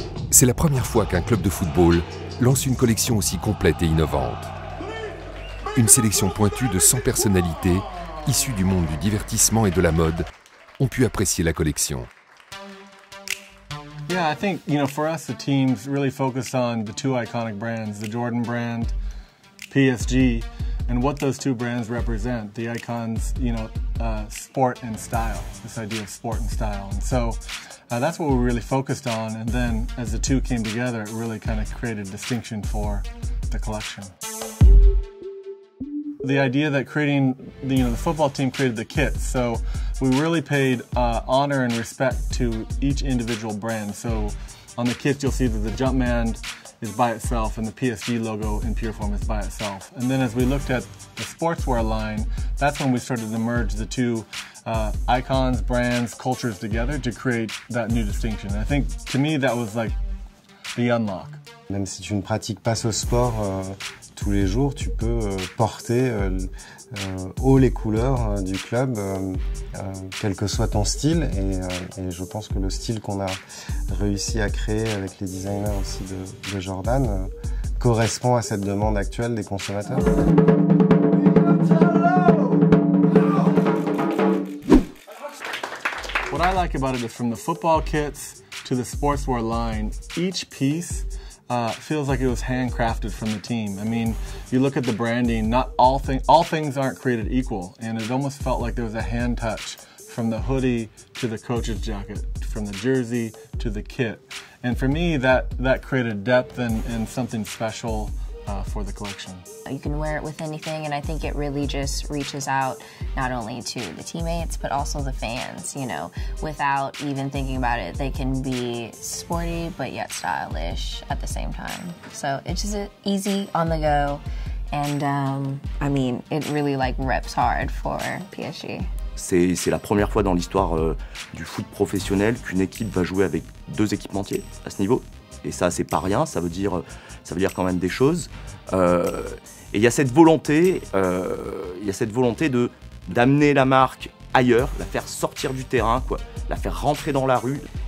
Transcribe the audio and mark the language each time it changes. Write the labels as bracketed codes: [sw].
[fr] C'est la première fois qu'un club de football lance une collection aussi complète et innovante. Une sélection pointue de 100 personnalités issues du monde du divertissement et de la mode ont pu apprécier la collection. [en] Yeah, I think, you know, for us the team's really focused on the two iconic brands, the Jordan brand, PSG, and what those two brands represent, the icons, you know, sport and style, this idea of sport and style. And so that's what we really focused on, and then as the two came together, it really kind of created distinction for the collection. The idea that creating, you know, the football team created the kits, so we really paid honor and respect to each individual brand. So on the kits, you'll see that the Jumpman is by itself, and the PSG logo in pure form is by itself. And then as we looked at the sportswear line, that's when we started to merge the two icons, brands, cultures together to create that new distinction. And I think, to me, that was like the unlock. [fr] Même si tu ne pratiques pas ce sport tous les jours, tu peux porter haut les couleurs du club, quel que soit ton style. Et je pense que le style qu'on a réussi à créer avec les designers aussi de Jordan correspond à cette demande actuelle des consommateurs. [en] What I like about it is from the football kits to the sportswear line, each piece feels like it was handcrafted from the team. I mean, you look at the branding, not all things aren't created equal, and it almost felt like there was a hand touch from the hoodie to the coach's jacket, from the jersey to the kit. And for me, that created depth and something special for the collection. You can wear it with anything, and I think it really just reaches out not only to the teammates, but also the fans, you know. Without even thinking about it, they can be sporty, but yet stylish at the same time. So it's just easy on the go, and I mean, it really like reps hard for PSG. [fr] C'est la première fois dans l'histoire du foot professionnel qu'une équipe va jouer avec deux équipementiers à ce niveau. Et ça, c'est pas rien, ça veut dire quand même des choses. Et il y a cette volonté, d'amener la marque ailleurs, la faire sortir du terrain, quoi, la faire rentrer dans la rue.